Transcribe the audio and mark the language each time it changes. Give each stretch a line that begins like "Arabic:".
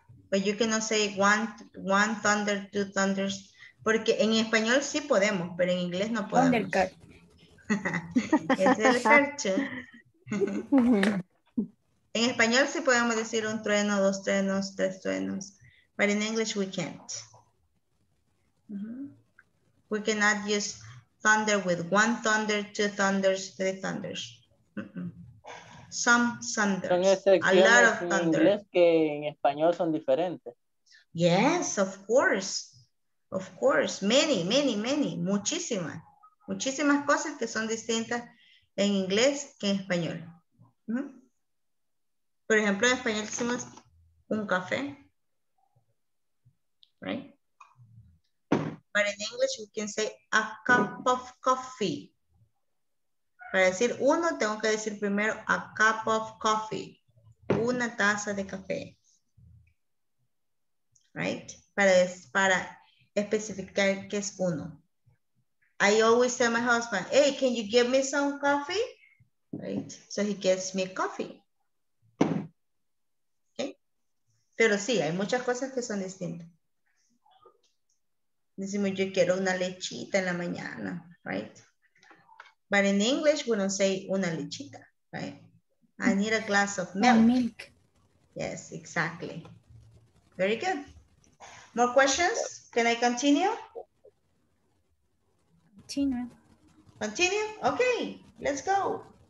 English: But you cannot say one thunder, two thunders.
Spanish: Porque en español sí podemos, pero en inglés no podemos. Thundercat. Es el cartoon. En español sí podemos decir un trueno, dos truenos, tres truenos.
English: But in English we can't. We cannot use thunder with one thunder, two thunders, three thunders. Some thunders. A lot of thunders.
Spanish: Que en español son diferentes.
English: Yes, of course. Of course. Many, many, many.
Spanish: Muchísimas. Muchísimas cosas que son distintas en inglés que en español. Por ejemplo, en español decimos un café.
English: Right? But in English, we can say a cup of coffee.
Spanish: Para decir uno, tengo que decir primero
English: a cup of coffee.
Spanish: Una taza de café. Right? Para especificar que es uno.
English: I always tell my husband, hey, can you give me some coffee? Right? So he gives me coffee. Okay?
Spanish: Pero sí, hay muchas cosas que son distintas. Decimos, yo quiero una lechita en la mañana, right?
English: But in English, we don't say
Spanish: una lechita,
English: right? I need a glass of milk. Milk. Yes, exactly. Very good. More questions? Can I continue? Continue. Continue? Okay, let's go.